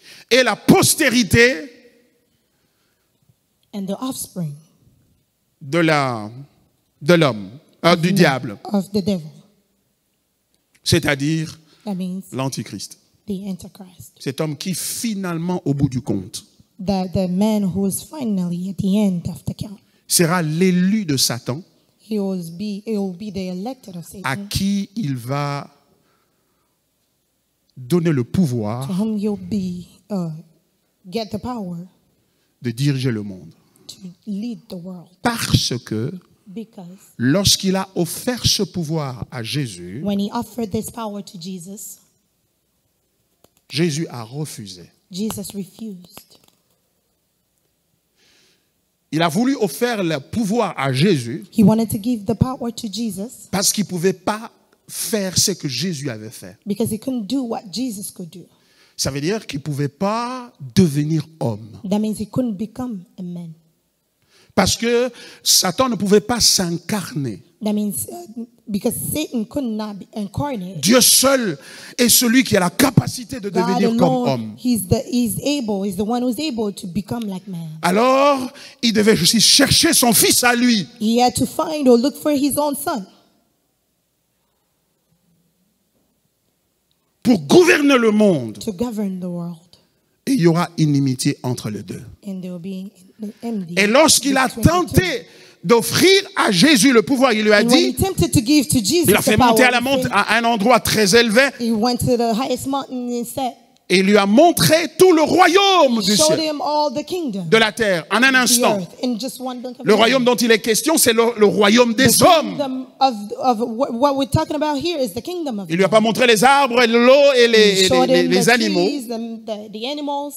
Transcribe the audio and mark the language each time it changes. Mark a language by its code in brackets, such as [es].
[fr] et la postérité de l'homme, du diable, c'est-à-dire l'Antichrist, cet homme qui finalement, au bout du compte, [en] The man who is finally at the end of the count [fr] sera l'élu de Satan. [en] He will be the elected of Satan. [fr] À qui il va donner le pouvoir? [en] To whom he'll be get the power [fr] de diriger le monde. [en] To lead the world. [fr] Parce que [en] because [fr] lorsqu'il a offert ce pouvoir à Jésus, [en] when he offered this power to Jesus, [fr] Jésus a refusé. [en] Jesus refused. [fr] Il a voulu offrir le pouvoir à Jésus. [en] He wanted to give the power to Jesus. [fr] Parce qu'il ne pouvait pas faire ce que Jésus avait fait. [en] Because he couldn't do what Jesus could do. [fr] Ça veut dire qu'il ne pouvait pas devenir homme. [en] That means he couldn't become a man. [fr] Parce que Satan ne pouvait pas s'incarner. [en] That means because Satan could not be incarnate. [fr] Dieu seul est celui qui a la capacité de [en] God [fr] devenir [en] alone, [fr] comme homme. [en] He's the one who's able to become like man. [fr] Alors, il devait aussi chercher son fils à lui. [en] He had to find or look for his own son. [fr] Pour gouverner le monde. [en] To govern the world. [fr] Et il y aura inimitié entre les deux. [en] And there will be enmity. [fr] Et lorsqu'il a tenté d'offrir à Jésus le pouvoir, il lui a dit, il a fait monter à un endroit très élevé, [en] he went to the highest mountain and said, [fr] et lui a montré tout le royaume du ciel, [en] him all the kingdom, [fr] de la terre, en un instant. [en] Earth, in just one blink of [fr] le royaume dont il est question, c'est le royaume des hommes. Il ne lui a pas montré les arbres, l'eau et les animaux.